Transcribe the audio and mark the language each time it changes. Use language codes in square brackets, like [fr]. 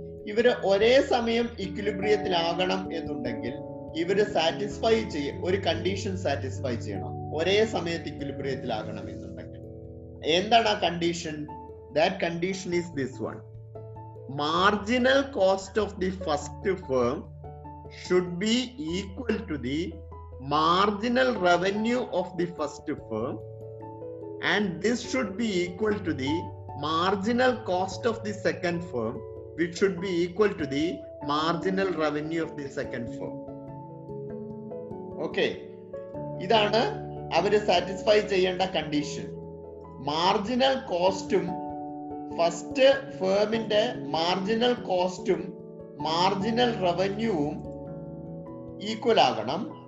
[ml] ഇവര് ഒരേ സമയം ഇക്വിലിബ്രിയത്തിലാകണം എന്നുണ്ടെങ്കിൽ ഇവര് സാറ്റിസ്ഫൈ ചെയ്യും, ഒരു കണ്ടീഷൻ സാറ്റിസ്ഫൈ ചെയ്യണം ഒരേ സമയത്ത് ഇക്വിലിബ്രിയത്തിലാകണം എന്നുണ്ടെങ്കിൽ. എന്താണ് ആ condition? [en] That condition is this one, marginal cost of the first firm should be equal to the marginal revenue of the first firm, and this should be equal to the marginal cost of the second firm, which should be equal to the marginal revenue of the second firm. [ml] Okay, ഇതാണ് അവര് satisfy ചെയ്യേണ്ട condition. Marginal കോസ്റ്റും first ഫേമിന്റെ marginal കോസ്റ്റും marginal റവന്യൂവും equal ആകണം.